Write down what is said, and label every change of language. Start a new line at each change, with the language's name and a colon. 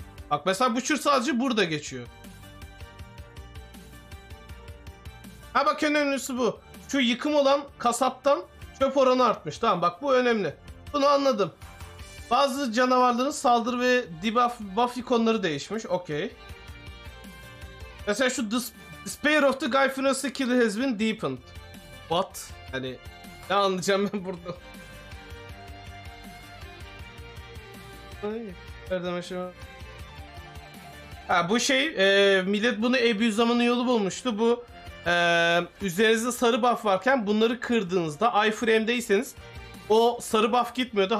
Turkish: Bak mesela Butcher sadece burada geçiyor. Ha bak, en önemlisi bu. Şu yıkım olan kasaptan çöp oranı artmış. Tamam bak, bu önemli. Bunu anladım. Bazı canavarların saldırı ve debuff buff ikonları değişmiş. Okey. Mesela şu
English: Despair of the Gryphon skill has been deepened. What?
Turkish: Yani ne anlayacağım ben burada? Nereden aşağı? Ha bu şey, millet bunu abuse zamanı yolu bulmuştu. Bu üzerinizde sarı buff varken bunları kırdığınızda iframe'deyseniz o sarı buff gitmiyordu.